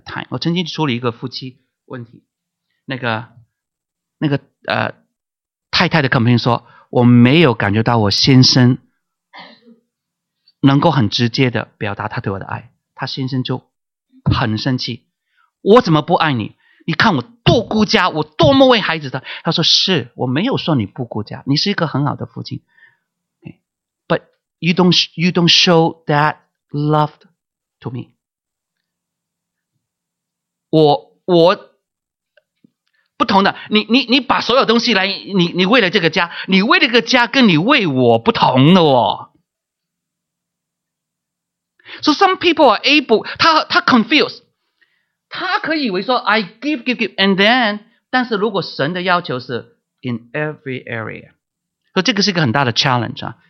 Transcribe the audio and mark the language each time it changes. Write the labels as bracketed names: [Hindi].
[Chinese] 我曾经处理一个夫妻问题，那个太太的 company 说，我没有感觉到我先生能够很直接的表达他对我的爱，他先生就很生气，我怎么不爱你？你看我多顾家，我多么为孩子的。他说是，我没有说你不顾家，你是一个很好的父亲。 [English] Okay. But you don't show that love to me。 [Chinese] 我不同的，你把所有东西来，你为了这个家，你为了这个家跟你为我不同的哦。 [English] So some people are able， [Chinese] 他 confused， 他可以以为说 [English] I give and then， [Chinese] 但是如果神的要求是 [English] in every area， [Chinese] 所以这个是一个很大的 challenge 啊。